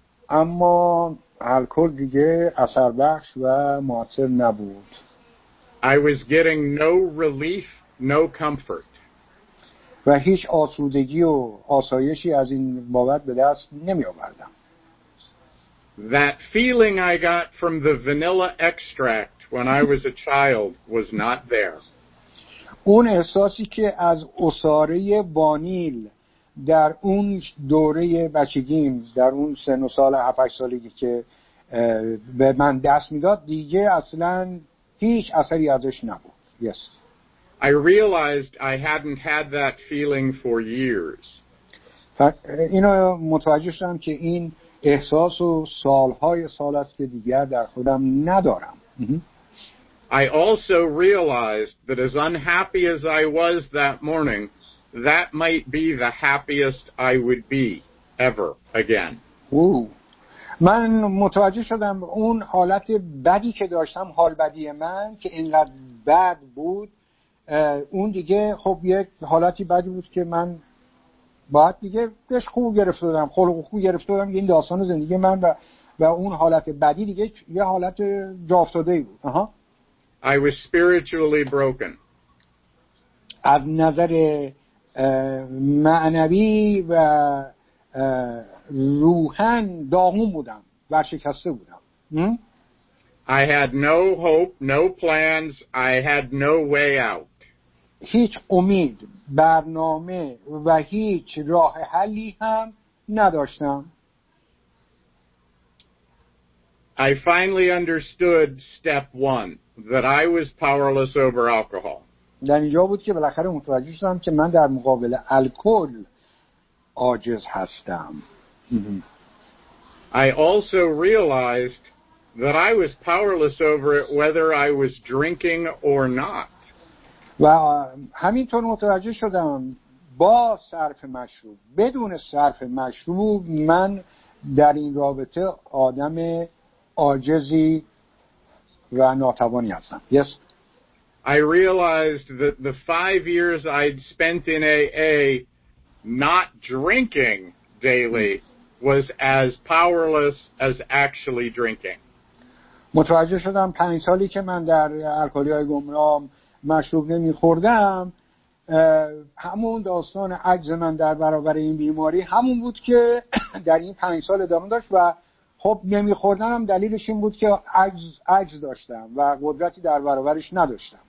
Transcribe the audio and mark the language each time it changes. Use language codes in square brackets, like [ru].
[fa] اما الکل دیگه اثر بخش و مؤثر نبود. [en] I was getting no relief, no comfort. [fa] و هیچ آسودگی و آسایشی از این بابت به دست نمی آوردم. [en] That feeling I got from the vanilla extract when I was a child was not there. [fa] اون احساسی که از عصاره وانیل در اون دوره بچگیم، در اون سن و سال 7-8 سالگی که به من دست میداد، دیگه اصلا هیچ اثری ازش نبود. [en] Yes. I realized I hadn't had that feeling for years. [fa] اینو متوجه شدم که این احساس و سالهای سال است که دیگر در خودم ندارم. [en] I also realized that as unhappy as I was that morning, that might be the happiest I would be ever again. [fa] من متوجه شدم اون حالت بدی که داشتم، حال بدی من که اینقدر بد بود، اون دیگه خب یک حالتی بدی بود که من باید دیگه بهش خوب گرفت دادم، خلق خوب گرفت دادم، این داستان زندگی من و اون حالت بدی دیگه یه حالت جافتاده بود. [en] I was spiritually broken. [fa] از نظر معنوی و روحن داغون بودم، ورشکسته بودم. [en] I had no hope, no plans, I had no way out. [fa] هیچ امید، برنامه و هیچ راه حلی هم نداشتم. [en] I finally understood step one, that I was powerless over alcohol. [fa] در اینجا بود که بالاخره متوجه شدم که من در مقابل الکل عاجز هستم. [en] I also realized that I was powerless over it whether I was drinking or not. [fa] و همینطور متوجه شدم با صرف مشروب، بدون صرف مشروب، من در این رابطه آدم عاجزی و ناتوانی هستم. [en] Yes. I realized that the 5 years I'd spent in AA not drinking daily was as powerless as actually drinking. [fa] متوجه شدم 5 سالی که من در الکلی‌های گمنام مشروب نمی‌خوردم، همون داستان عجز من در برابر این بیماری همون بود که در این 5 سال ادامه داشت و خب نمی‌خوردنم دلیلش این بود که عجز داشتم و قدرتی در برابرش نداشتم.